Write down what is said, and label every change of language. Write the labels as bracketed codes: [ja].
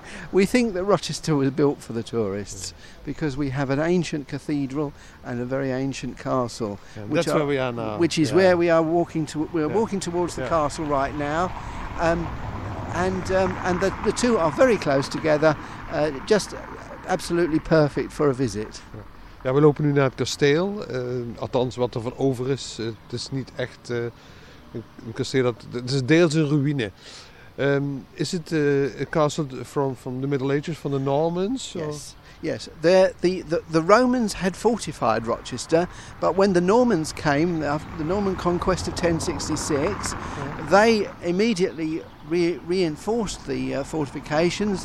[en] We think that Rochester was built for the tourists because we have an ancient cathedral and a very ancient castle. Yeah, which that's where we are now. Which is where we are walking to. We're walking towards the castle right now. And the two are very close together, just absolutely perfect for a visit. [nl] Ja, we lopen nu naar het kasteel, althans wat er van over is. Het is niet echt een kasteel, het is deels een ruïne. [en] Is it a castle from the Middle Ages, from the Normans? Yes. The Romans had fortified Rochester, but when the Normans came, after the Norman conquest of 1066, they immediately reinforced the fortifications.